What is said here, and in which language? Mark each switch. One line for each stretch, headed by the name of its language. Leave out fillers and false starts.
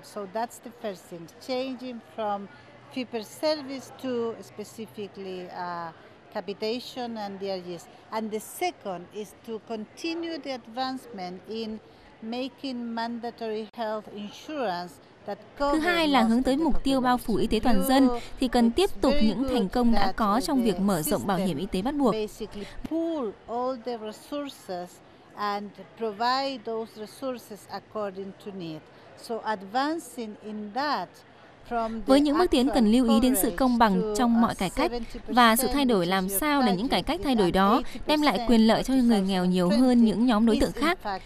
English: So that's the first thing, changing from fee per service to specifically capitation and DRGs. And the second is to continue the advancement in making mandatory health insurance.
Vietnamese: Thứ hai là hướng tới mục tiêu bao phủ y tế toàn dân thì cần tiếp tục những thành công đã có trong việc mở rộng bảo hiểm y tế bắt buộc.
English: Pool all the resources and provide those resources according to need. So advancing in that.
Vietnamese: Với những bước tiến cần lưu ý đến sự công bằng trong mọi cải cách và sự thay đổi làm sao để những cải cách thay đổi đó đem lại quyền lợi cho người nghèo nhiều hơn những nhóm đối tượng khác.